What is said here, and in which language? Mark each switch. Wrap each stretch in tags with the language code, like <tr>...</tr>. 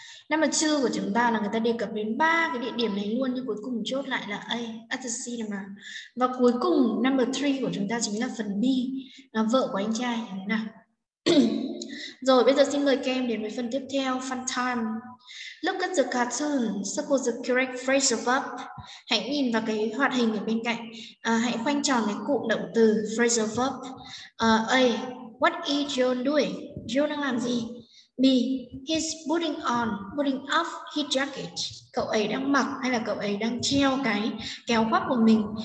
<vi>Number 2 của chúng ta là người ta đề cập đến 3 cái địa điểm này luôn, nhưng cuối cùng chốt lại là A,</vi> <en>at the cinema.</en> <vi>Và cuối cùng, number 3 của chúng ta chính là phần B, là vợ của anh trai. Nào. Rồi, bây giờ xin mời các em đến với phần tiếp theo,</vi> <en>fun time. Look at the cartoon, circle the correct phrase above.</en> <vi>Hãy nhìn vào cái hoạt hình ở bên cạnh. Hãy khoanh tròn cái cụm động từ</vi> <en>phrase above. A, what is John doing?</en> <vi>John đang làm gì?</vi> <en>B, he's putting on, putting off his jacket.</en> <vi>Cậu ấy đang mặc hay là cậu ấy đang treo cái kéo khoác của mình.</vi>